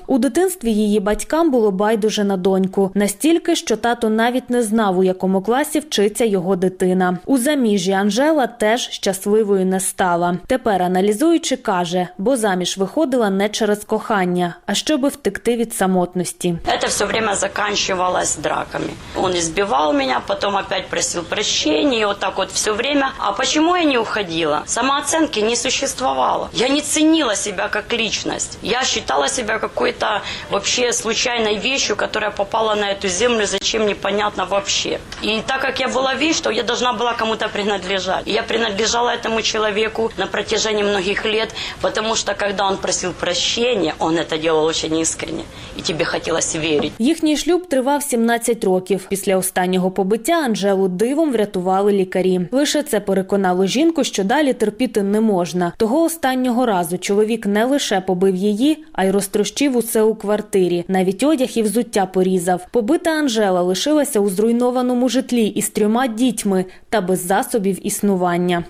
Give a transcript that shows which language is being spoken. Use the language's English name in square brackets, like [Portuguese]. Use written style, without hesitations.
[Ukrainian] У дитинстві її батькам було байдуже на доньку. Настільки, що тато навіть не знав, у якому класі вчиться його дитина. У заміжжі Анжела теж щасливою не стала. Тепер, аналізуючи, каже, бо заміж виходила не через кохання, а щоби втекти від самотності. Це все время закінчувалось драками. Він збивав мене, потім опять присвітив. [Russian] Прощение, вот так вот все время. А почему я не уходила? Самооценки не существовало. Я не ценила себя как личность. Я считала себя какой-то вообще случайной вещью, которая попала на эту землю, зачем, непонятно вообще. И так как я была вещь, то я должна была кому-то принадлежать. И я принадлежала этому человеку на протяжении многих лет, потому что когда он просил прощения, он это делал очень искренне. И тебе хотелось верить. [Ukrainian] Їхній шлюб тривав 17 років. Після останнього побиття Анжелу дивом врятували лікарі. Лише це переконало жінку, що далі терпіти не можна. Того останнього разу чоловік не лише побив її, а й розтрощив усе у квартирі. Навіть одяг і взуття порізав. Побита Анжела лишилася у зруйнованому житлі із 3 дітьми та без засобів існування.